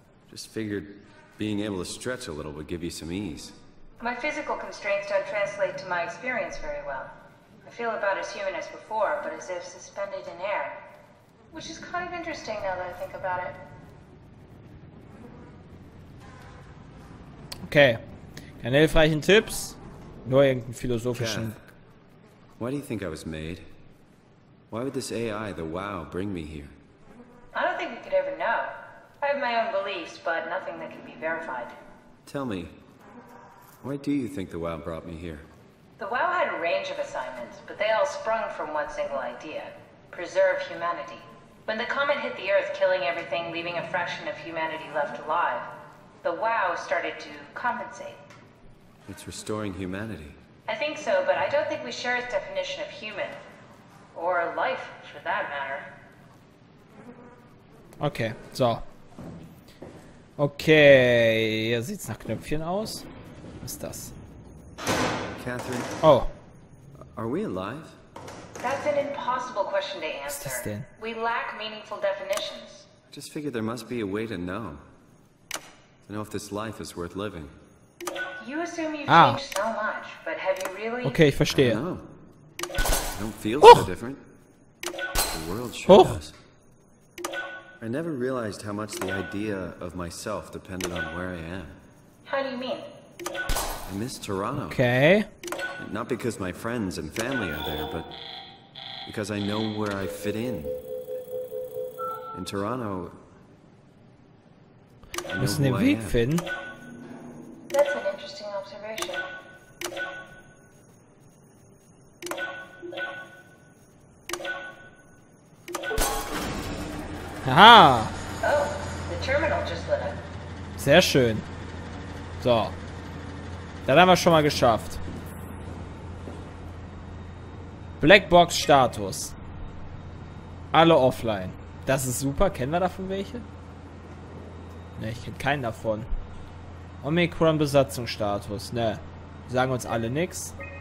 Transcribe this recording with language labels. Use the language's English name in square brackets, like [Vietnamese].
[English] Just figured being able to stretch a little would give you some ease. My physical constraints don't translate to my experience very well. I feel about as human as before, but as if suspended in air. Which is kind of interesting now that I think about it. Okay. [German] Keine hilfreichen Tipps, nur irgendeinen philosophischen. [English] Yeah. Why do you think I was made? Why would this AI, the WoW, bring me here? I don't think you could ever know. I have my own beliefs, but nothing that can be verified. Tell me, why do you think the WoW brought me here? The WoW had a range of assignments, but they all sprung from one single idea. Preserve humanity. When the comet hit the Earth, killing everything, leaving a fraction of humanity left alive, the WoW started to compensate. It's restoring humanity. I think so, but I don't think we share its definition of human. Or life, for that matter. Okay, so. [German] Okay, hier sieht's nach Knöpfchen aus. Was ist das? [English] Catherine. Oh. Are we alive? That's an impossible question to answer. [German] Was ist das denn? [English] We lack meaningful definitions. I just figured there must be a way to know. To know if this life is worth living. You assume you've changed so much, but have you really? [German] Okay, ich verstehe. [English] I don't know. I don't feel so different. The world sure does. I never realized how much the idea of myself depended on where I am. How do you mean? I miss Toronto. Okay. Not because my friends and family are there, but because I know where I fit in. In Toronto. [German] Wir müssen den Weg finden. [English] That's an interesting observation. Aha. Oh, the terminal just lit up. [German] Sehr schön. So. Dann haben wir schon mal geschafft. Blackbox Status. Alle offline. Das ist super. Kennen wir davon welche? Ne, ich kenne keinen davon. Omicron Besatzungsstatus. Ne. Sagen uns alle nix.